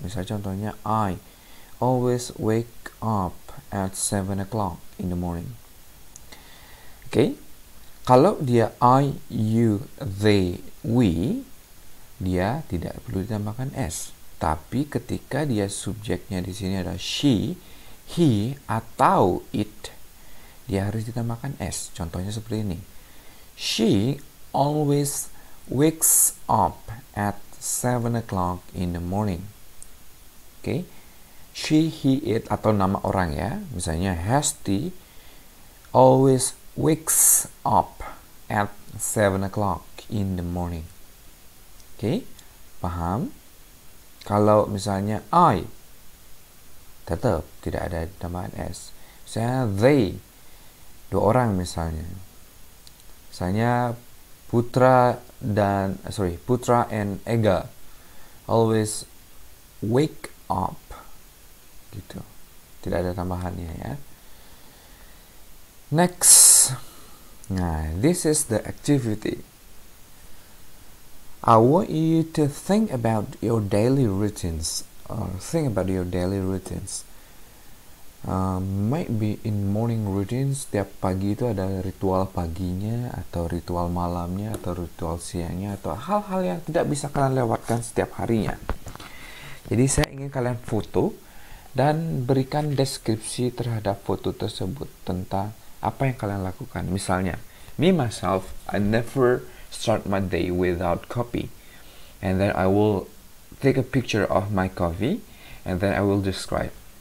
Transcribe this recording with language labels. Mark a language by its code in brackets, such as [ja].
[id] Misalnya contohnya, [en] I always wake up at 7 o'clock in the morning. Okay. [id] Kalau dia I, you, they, we, dia tidak perlu ditambahkan s. Tapi ketika dia subjeknya di sini ada she, he, atau it, dia harus ditambahkan s. Contohnya seperti ini. [en] She always wakes up at 7 o'clock in the morning. Okay? [id] She, he, it, atau nama orang ya. Misalnya [en] Hesti always wakes up at 7 o'clock in the morning. [id] Okay? Paham? Kalau misalnya I Tetap tidak ada tambahan s. Misalnya they, dua orang misalnya. Misalnya [en] Putra [id] dan [en] sorry Putra and Ega always wake up. [id] Gitu. Tidak ada tambahannya ya. [en] Next. Nah, this is the activity. I want you to think about your daily routines, or think about your daily routines. Might be in morning routines, [id] setiap pagi itu ada ritual paginya, atau ritual malamnya, atau ritual siangnya, atau hal-hal yang tidak bisa kalian lewatkan setiap harinya. Jadi saya ingin kalian foto dan berikan deskripsi terhadap foto tersebut tentang apa yang kalian lakukan. Misalnya, [en] me myself, I never start my day without coffee, and then I will take a picture of my coffee, and then I will describe.